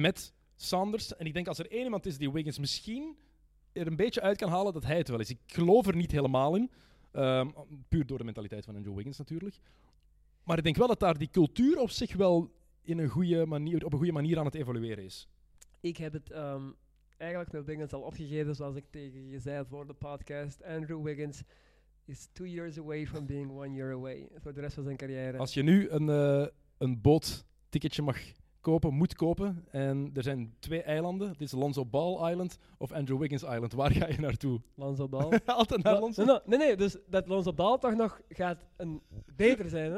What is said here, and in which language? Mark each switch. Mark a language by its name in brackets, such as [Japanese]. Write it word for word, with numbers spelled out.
[Dutch] met Sanders. En ik denk als er één iemand is die Wiggins misschien er een beetje uit kan halen, dat hij het wel is. Ik geloof er niet helemaal in. Um, puur door de mentaliteit van Andrew Wiggins natuurlijk. Maar ik denk wel dat daar die cultuur op zich wel in een goede manier, op een goede manier aan het evolueren is. Ik heb het... Um Eigenlijk met Wiggins al opgegeven, zoals ik tegen je zei voor de podcast. [English] Andrew Wiggins is two years away from being one year away. [Dutch] Voor de rest van zijn carrière. Als je nu een, uh, een bootticketje mag kopen, moet kopen. En er zijn twee eilanden. Dit is Lonzo Ball Island of Andrew Wiggins Island. Waar ga je naartoe? Lonzo Ball. Altijd naar Lonzo? [English] No, no, [Dutch] nee, nee. Dus dat Lonzo Ball toch nog gaat een beter zijn, hè?